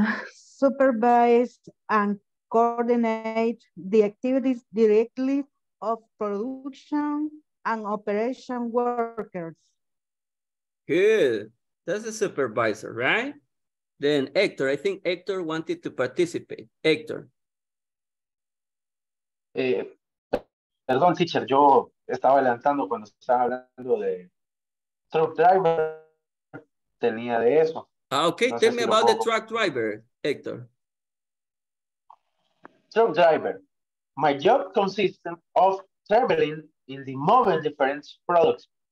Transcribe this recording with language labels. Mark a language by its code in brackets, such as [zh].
[en] Supervise and coordinate the activities directly of production and operation workers. Good. That's a supervisor, right? Then Hector, I think Hector wanted to participate. Hector. [es] Perdón, teacher, yo estaba adelantando cuando estaba hablando de truck driver, tenía de eso. [en] Okay, no tell me si about the truck driver, Hector. Truck driver. My job consists of traveling in the moving different products.